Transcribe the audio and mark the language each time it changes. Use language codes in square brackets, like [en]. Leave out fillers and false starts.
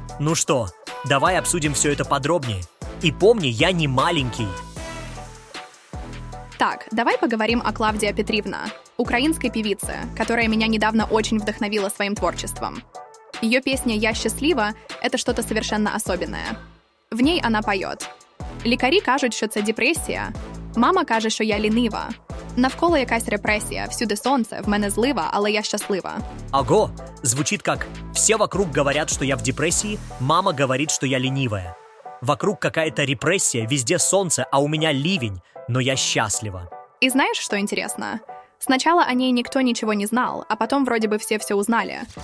[ru] Ну что, давай обсудим все это подробнее. И помни, я не маленький. Так, давай поговорим о Клавдии Петрівні, украинской певице, которая меня недавно очень вдохновила своим творчеством. Ее песня «Я счастлива» — это что-то совершенно особенное. В ней она поет. [uk] «Лікарі кажуть, що це депресія. Мама каже, що я лінива. Навколо якась репресія, всюди сонце, в мене злива, але я щаслива». [ru] Ого! Звучит как «Все вокруг говорят, что я в депрессии, мама говорит, что я ленивая. Вокруг какая-то репрессия, везде солнце, а у меня ливень, но я счастлива». И знаешь, что интересно? Сначала о ней никто ничего не знал, а потом вроде бы все узнали.